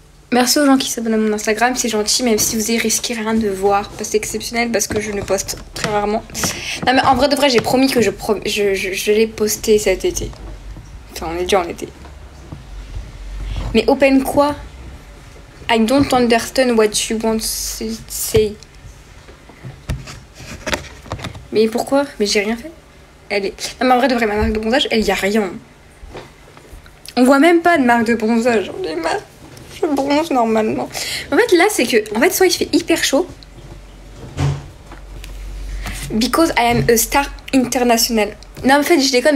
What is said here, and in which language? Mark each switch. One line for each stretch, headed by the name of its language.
French: Merci aux gens qui s'abonnent à mon Instagram, c'est gentil, même si vous y risquez rien de voir, parce que c'est exceptionnel, parce que je ne poste très rarement. Non mais en vrai de vrai, j'ai promis que je l'ai posté cet été. Enfin, on est déjà en été. Mais open quoi?
English: I don't understand what you want to say.
French: Mais pourquoi? Mais j'ai rien fait. Elle est... Non mais en vrai de vrai, ma marque de bronzage, elle y a rien. On voit même pas de marque de bronzage. On est mal. Je bronze normalement. En fait, là, c'est que... En fait, soit il fait hyper chaud.
English: Because I am a star international.
French: Non, en fait, je déconne.